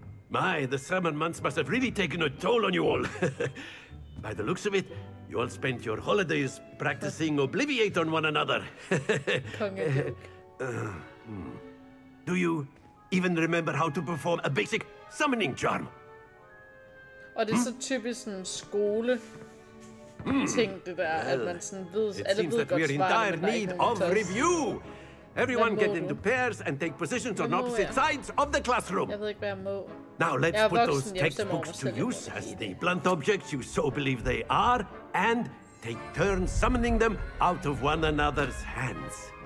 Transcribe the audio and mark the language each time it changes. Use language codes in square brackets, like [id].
[en] My, the summer months must have really taken a toll on you all. By the looks of it, you all spent your holidays practicing Obliviate on one another. Do you even remember how to perform a basic summoning charm? [da] Og det er så typisk en skole ting det der, at man sådan ved, alle ved godt svaret, men der er ikke nogen [en] of review. Everyone get into pairs and take positions on opposite sides of the classroom. [da] Jeg ved ikke, hvad jeg må. [en] Now let's put those textbooks to use as the blunt objects you so believe they are, and take turns summoning them out of one another's hands.